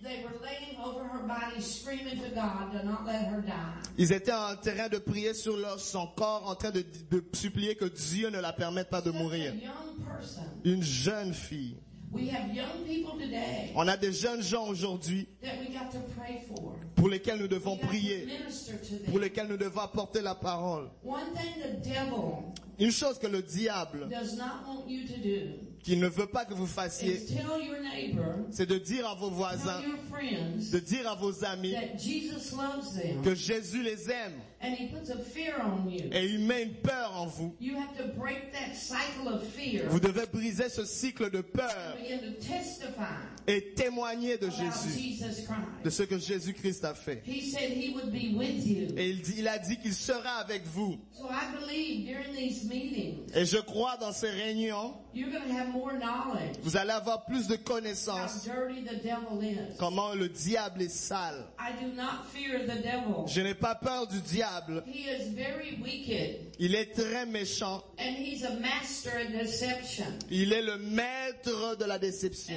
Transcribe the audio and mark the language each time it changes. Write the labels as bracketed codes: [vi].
[en] they were laying over her body, screaming to God to not let her die. [fr] Ils étaient en train de prier sur son corps, en train de supplier que Dieu ne la permette pas de mourir. [en] A young person, [fr] une jeune fille. [en] We have young people today, [fr] on a des jeunes gens aujourd'hui [en] that we got to pray for. [fr] Pour lesquels nous devons [en] we got [fr] prier, [en] to minister to them. [fr] Pour lesquels nous devons apporter la parole. [en] One thing the devil, [fr] une chose que le diable [en] does not want you to do, [fr] qu'il ne veut pas que vous fassiez, [en] tell your neighbor, [fr] c'est de dire à vos voisins, [en] tell your friends, [fr] de dire à vos amis [en] that Jesus loves them, [fr] que Jésus les aime [en] and he puts a fear on you. [fr] Et il met une peur en vous. [en] You have to break that cycle of fear, [fr] vous devez briser ce cycle de peur [en] and begin to testify [fr] et témoigner de Jésus, [en] Jesus Christ. [fr] De ce que Jésus-Christ a fait. [en] He said he would be with you. [fr] Et il a dit qu'il sera avec vous. [en] So I believe during these meetings, [fr] et je crois dans ces réunions, [en] you're gonna have more knowledge, [fr] vous allez avoir plus de connaissances, [en] how dirty the devil is. [fr] Comment le diable est sale. [en] I do not fear the devil. [fr] Je n'ai pas peur du diable. [en] He is very wicked. [fr] Il est très méchant. [en] And he's a master of deception. [fr] Il est le maître de la déception.